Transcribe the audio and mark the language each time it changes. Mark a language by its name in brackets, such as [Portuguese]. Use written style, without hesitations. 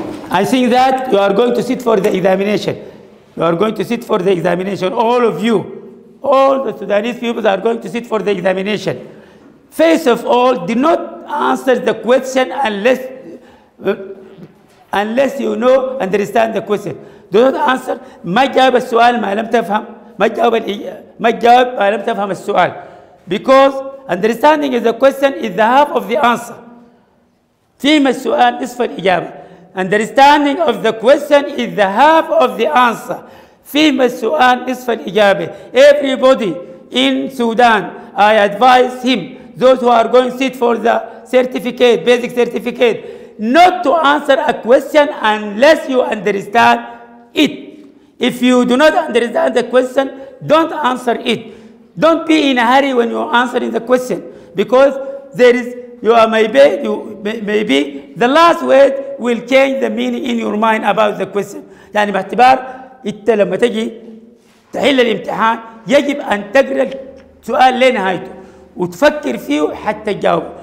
[English] I think that you are going to sit for the examination. You are going to sit for the examination, all of you. All the Sudanese people are going to sit for the examination. First of all, do not answer the question unless you know, understand the question. Do not answer. [Arabic] ما جاوب السؤال ما لم تفهم. ما جاوب ما لم تفهم السؤال. [English] Because understanding is the question is the half of the answer. [Arabic] فهم السؤال نصف الإجابة. [English] Understanding of the question is the half of the answer. [Arabic] فهم السؤال نصف الإجابة. [English] Everybody in Sudan, I advise him, those who are going to sit for the certificate, basic certificate, not to answer a question unless you understand it. If you do not understand the question, don't answer it. Don't be in a hurry when you're answering the question, because there is, maybe the last word will change the meaning in your mind about the question. [Arabic] يعني باعتبار انت لما تجي تحل الامتحان يجب ان تقرا السؤال لنهايته وتفكر فيه حتى تجاوب.